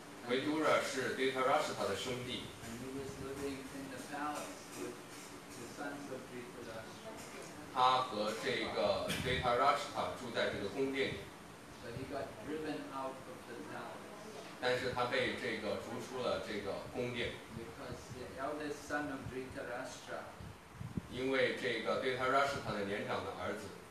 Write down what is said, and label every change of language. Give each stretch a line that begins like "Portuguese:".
Chinese: 维多拉是 Dhritarashtra 的兄弟。
English: And he was living in the palace with the sons of Dhritarashtra.
Chinese: 他和这个 Dhritarashtra 住在这个宫殿里。
English: But he got driven out of the palace.
Chinese: 但是他被这个逐出了这个宫殿。
English: Because the eldest son of Dhritarashtra.
Chinese: 因为这个 Dhritarashtra 的年长的儿子。